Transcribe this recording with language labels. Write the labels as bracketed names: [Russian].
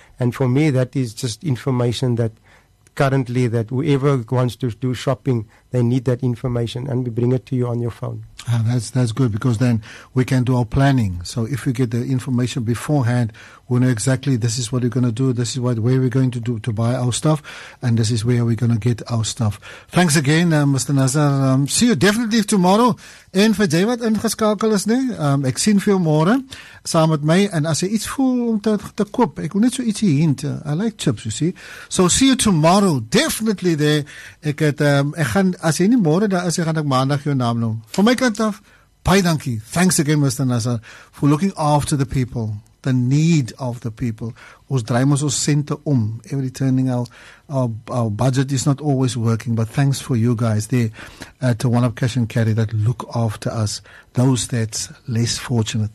[English] And for me, that is just information that currently, that whoever wants to do shopping, they need that information, and we bring it to you on your phone. That's good, because then we can do our planning. So if we get the information beforehand, we know exactly this is what we're going to do, this is what where we're going to do to buy our stuff, and this is where we're going to get our stuff. Thanks again, Mr. Nazar. See you definitely tomorrow. [Afrikaans] En vir jy wat ingeskakel is, nee, ek sien veel môre saam met my, en as jy iets voel om te koop, ek wil net so ietsie hint. [English] I like chips, you see. So see you tomorrow, definitely there. [Afrikaans] Ek het, ek gaan, as jy nie môre daar is, gaan ek maandag jou naam noem. Van my kant af, baie dankie. [English] Thanks again, Mr. Nazar, for looking after the people. The need of the people. [Afrikaans] Ons draai ons sente om. [English] Every turning our budget is not always working, but thanks for you guys there at One Up Cash and Carry that look after us, those that's less fortunate.